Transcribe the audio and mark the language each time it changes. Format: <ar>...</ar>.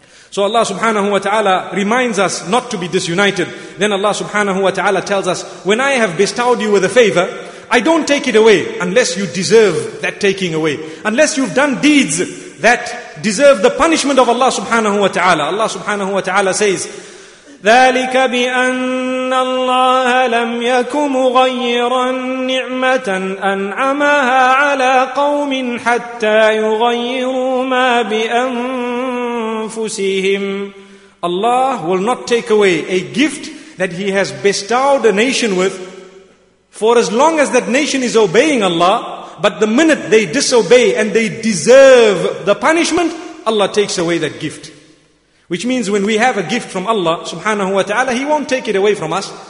<en>So Allah subhanahu wa ta'ala reminds us not to be disunited. Then Allah subhanahu wa ta'ala tells us, when I have bestowed you with a favor, I don't take it away unless you deserve that taking away. Unless you've done deeds that deserve the punishment of Allah subhanahu wa ta'ala.</en> <ar>Allah subhanahu wa ta'ala</ar> <en>says,</en> <ar>ذَلِكَ بِأَنَّ اللَّهَ لَمْ يَكُ مُغَيِّرًا نِعْمَةً أَنْعَمَهَا عَلَىٰ قَوْمٍ حَتَّى يُغَيِّرُوا مَا بِأَنفُسِهِمْ.</ar> <en>Allah will not take away a gift that He has bestowed a nation with, for as long as that nation is obeying Allah, but the minute they disobey and they deserve the punishment, Allah takes away that gift. Which means when we have a gift from Allah subhanahu wa ta'ala, He won't take it away from us.</en>